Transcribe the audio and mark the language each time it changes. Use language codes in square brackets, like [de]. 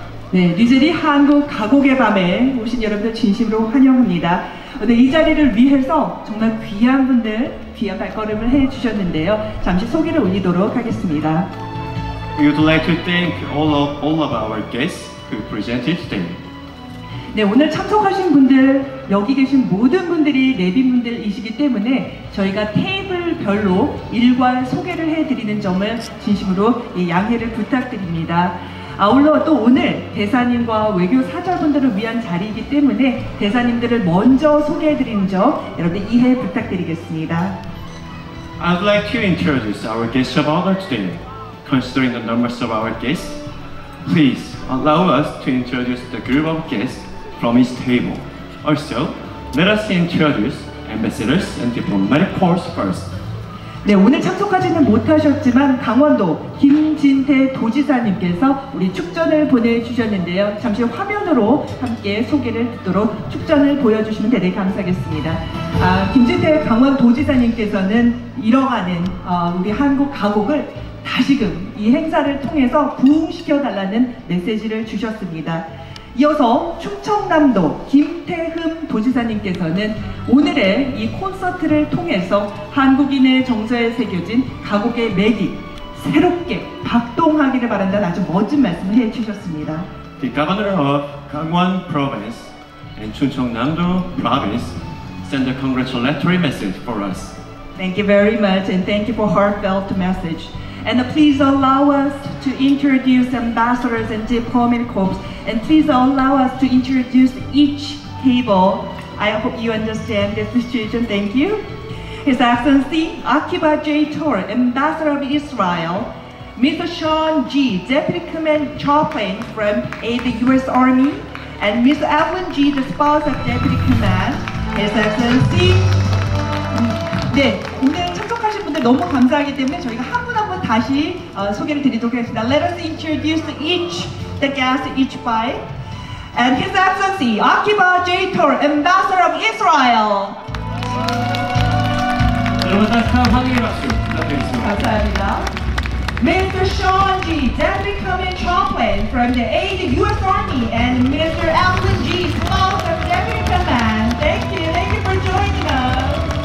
[ko] 네, 뉴질리 한국 가곡의 밤에 오신 여러분들 진심으로 환영합니다. 네, 이 자리를 위해서 정말 귀한 분들, 귀한 발걸음을 해주셨는데요. 잠시 소개를 올리도록 하겠습니다. [en] We would like to thank all of our guests who presented today. [ko] 네, 오늘 참석하신 분들, 여기 계신 모든 분들이 내빈분들이시기 때문에 저희가 테이블별로 일괄 소개를 해드리는 점을 진심으로 양해를 부탁드립니다. 아울러 또 오늘 대사님과 외교 사절분들을 위한 자리이기 때문에 대사님들을 먼저 소개해드리는 점 여러분들 이해 부탁드리겠습니다. [en] I'd like to introduce our guest of honor today. Considering the numbers of our guests, please allow us to introduce the group of guests from each table. Also, let us introduce ambassadors and diplomatic corps first. [ko] 네, 오늘 참석하지는 못하셨지만 강원도 김진태 도지사님께서 우리 축전을 보내주셨는데요. 잠시 화면으로 함께 소개를 듣도록 축전을 보여주시면 대단히 감사하겠습니다. 아, 김진태 강원도지사님께서는 이러하는 우리 한국 가곡을 다시금 이 행사를 통해서 부흥시켜달라는 메시지를 주셨습니다. 이어서 충청남도 김태흠 도지사님께서는 오늘의 이 콘서트를 통해서 한국인의 정서에 새겨진 가곡의 매기 새롭게 박동하기를 바란다는 아주 멋진 말씀을 해주셨습니다. [en] The governor of Gangwon province and 충청남도 province send a congratulatory message for us. Thank you very much and thank you for heartfelt message. And please allow us to introduce ambassadors and diplomatic corps. And please allow us to introduce each table. I hope you understand this situation. Thank you. His Excellency Akiba J. Tor, Ambassador of Israel. Mr. Sean G., Deputy Command Chaplain from the U.S. Army. And Ms. Evelyn G., the spouse of Deputy Command. His Excellency. [ko] 네, 오늘 참석하신 분들 너무 감사하기 때문에 저희가 한 분 한 분 다시 소개를 드리도록 하겠습니다. [en] Let us introduce each by. And His Excellency Akiba J. Tor, Ambassador of Israel. [ko] 여러분 다시 한번 환영의 박수 부탁드리겠습니다. 감사합니다. Mr. [en] Sean G., Deputy Command Chaplain from the U.S. Army and Mr. Alvin G., spouse of Deputy Command. Thank you for joining us.